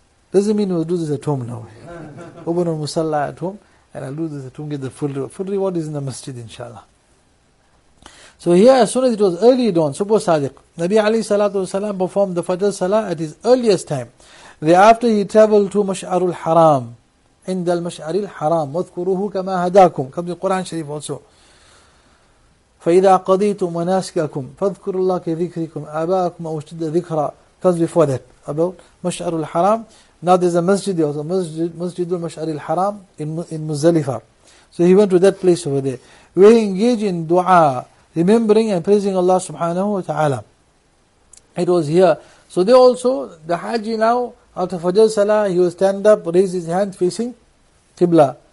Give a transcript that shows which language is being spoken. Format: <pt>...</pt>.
<en>Doesn't mean we'll do this at home now. Open a musalla at home, and I'll do this at home, get the full reward. Full reward is in the masjid, inshallah. So here, as soon as it was early dawn, suppose Sadiq, Nabi alayhi salatu wasalam performed the Fajr Salah at his earliest time. Thereafter, he traveled to Mash'arul Haram.</en> <ar>عند المشعر الحرام واذكروه كما هداكم كما في القرآن الشريف also. فإذا قضيت مناسككم فاذكروا الله كذكركم آباءكم أو اشتد ذكرى</ar> <en>comes before that about</en> <ar>مشعر الحرام.</ar> <en>Now there's a masjid, also masjid المشعر الحرام in Muzdalifa. So he went to that place over there where he engaged in dua, remembering and praising Allah subhanahu wa ta'ala. It was here. So they also, the haji now, after Fajr Salah, he will stand up, raise his hand facing Qibla.</en>